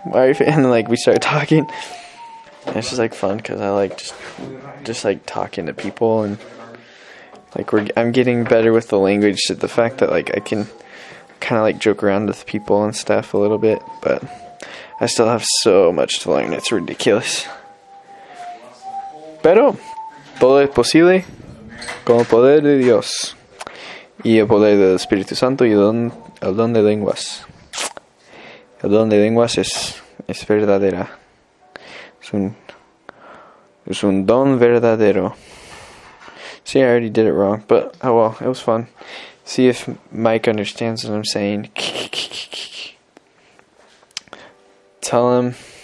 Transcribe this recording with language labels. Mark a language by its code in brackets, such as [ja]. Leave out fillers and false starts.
[en] And, like, we started talking. And it's just, like, fun because I like just like, talking to people. And, like, I'm getting better with the language. So the fact that, like, I can kind of, like, joke around with people and stuff a little bit. But I still have so much to learn. It's ridiculous. [es] Pero todo es posible con el poder de Dios y el poder del Espíritu Santo y el don de lenguas. El don de lenguas es verdadera. Es un don verdadero. [en] See, I already did it wrong, but oh well, it was fun. See if Mike understands what I'm saying. Tell him.